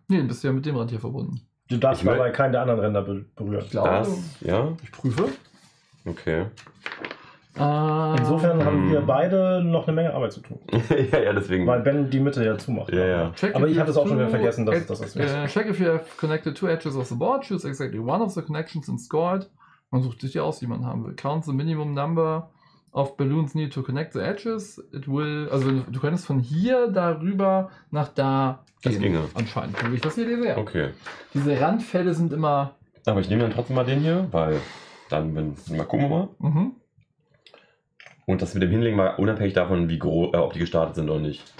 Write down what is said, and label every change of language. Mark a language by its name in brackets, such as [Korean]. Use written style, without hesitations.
[German] Nee, dann bist du ja mit dem Rand hier verbunden. Du darfst dabei keinen der anderen Ränder berühren. Ich glaube, das, ja. Ich prüfe. Okay. Insofern haben wir beide noch eine Menge Arbeit zu tun. Ja, ja, deswegen. Weil Ben die Mitte ja zumacht. Ja, ja. Aber ich hatte es auch schon wieder vergessen, dass das ist. [English] Check if you have connected two edges of the board. Choose exactly one of the connections and score it. [German] Man sucht sich ja aus, wie man haben will. [English] Count the minimum number of balloons need to connect the edges. It will, [German] also du könntest von hier darüber nach da gehen. Das ginge. Anscheinend, wie ich das hier lese. Okay. Diese Randfälle sind immer. Aber ich nehme dann trotzdem mal den hier, weil dann, wenn. Mal gucken wir mal. Mhm. Und das mit dem Hinlegen mal unabhängig davon, wie groß, ob die gestartet sind oder nicht.